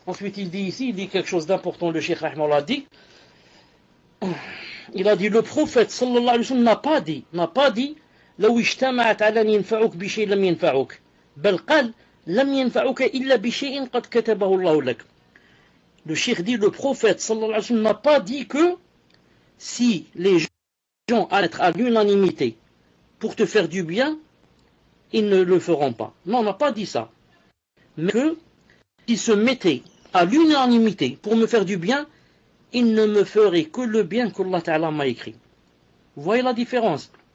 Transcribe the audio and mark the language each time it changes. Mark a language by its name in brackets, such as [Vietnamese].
[French] Ensuite, il dit ici, il dit quelque chose d'important, le Cheikh Rahman l'a dit. Il a dit, le prophète, sallallahu alayhi wa sallam, n'a pas dit, [Arabic] « لو اجتمعت على أن ينفعوك بشيء لم ينفعوك » بل قال لم ينفعك إلا بشيء قد كتبه الله لك. [French] Le cheikh dit, le prophète sallallahu alayhi wa sallam n'a pas dit que si les gens allaient être à l'unanimité pour te faire du bien, ils ne le feront pas. Non, on n'a pas dit ça. Mais que s'ils se mettaient à l'unanimité pour me faire du bien, ils ne me feraient que le bien qu'Allah Ta'ala m'a écrit. Vous voyez la différence?